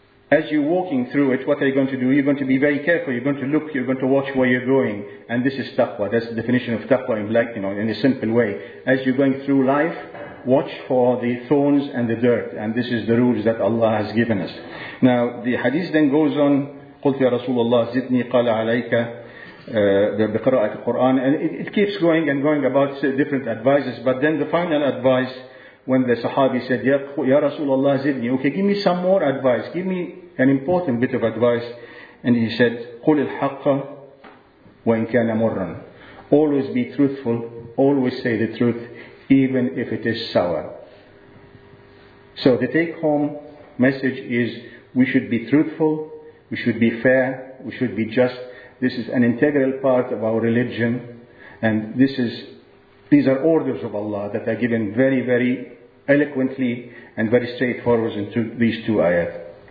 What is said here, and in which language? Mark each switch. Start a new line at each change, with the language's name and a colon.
English: As you're walking through it, what are you going to do? You're going to be very careful, you're going to look, you're going to watch where you're going. And this is taqwa. That's the definition of taqwa in black, you know, in a simple way. As you're going through life, watch for the thorns and the dirt. And this is the rules that Allah has given us. Now, the hadith then goes on,
Arabic: قلت يا رسول الله زدني قال عليك بقراءة القرآن.
English: And it keeps going and going about different advices. But then the final advice, when the Sahabi said,
Arabic: Ya Rasulullah zidni,
English: okay, give me some more advice, give me an important bit of advice. And he said,
Arabic: قل الحق وإن كان مرا.
English: Always be truthful, always say the truth, even if it is sour. So the take home message is, we should be truthful, we should be fair, we should be just. This is an integral part of our religion, and these are orders of Allah that are given very, very eloquently and very straightforward into these two ayat.